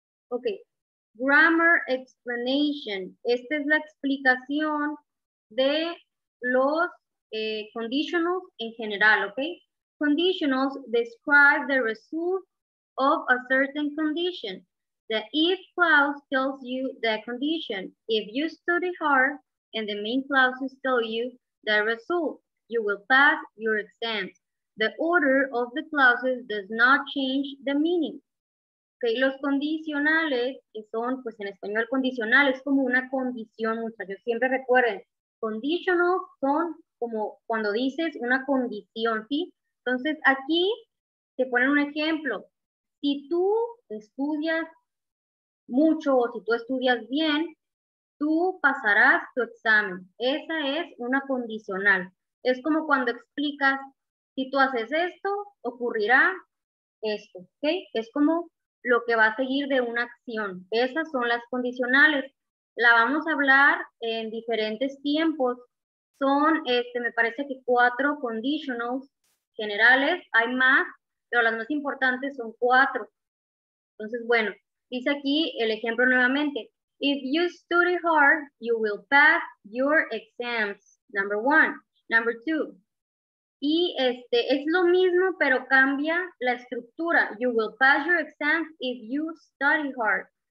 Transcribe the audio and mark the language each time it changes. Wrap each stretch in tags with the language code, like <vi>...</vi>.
<en>Ok, grammar explanation.</en> <es>Esta es la explicación de los conditionals en general, ok.</es> <en>Conditionals describe the result of a certain condition. The if clause tells you the condition. If you study hard and the main clauses tell you the result, you will pass your exams. The order of the clauses does not change the meaning.</en> <es>Okay, los condicionales, que son, pues en español, condicional es como una condición, muchachos. Siempre recuerden, conditionals son como cuando dices una condición, ¿sí? Entonces, aquí te ponen un ejemplo. Si tú estudias mucho o si tú estudias bien, tú pasarás tu examen. Esa es una condicional. Es como cuando explicas, si tú haces esto, ocurrirá esto, ¿ok? Es como lo que va a seguir de una acción. Esas son las condicionales. La vamos a hablar en diferentes tiempos. Son, me parece que 4 conditionals generales. Hay más, pero las más importantes son 4. Entonces, bueno, dice aquí el ejemplo nuevamente.</es> <en>If you study hard, you will pass your exams. Number one. Number two.</en> <es>Y es lo mismo, pero cambia la estructura.</es> <en>You will pass your exams if you study hard.</en>